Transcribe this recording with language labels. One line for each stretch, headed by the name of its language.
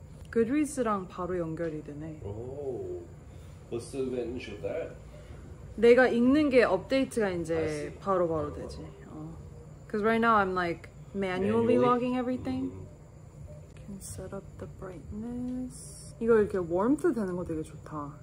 Korean: Goodreads랑 바로 연결이 되네.
English: Oh, what's the advantage of that?
Korean: 내가 읽는 게 업데이트가 이제 바로 되지.
English: Cause right now I'm like manually logging everything. Can set up the brightness.
Korean: 이거 이렇게 warmth 되는 거 되게 좋다.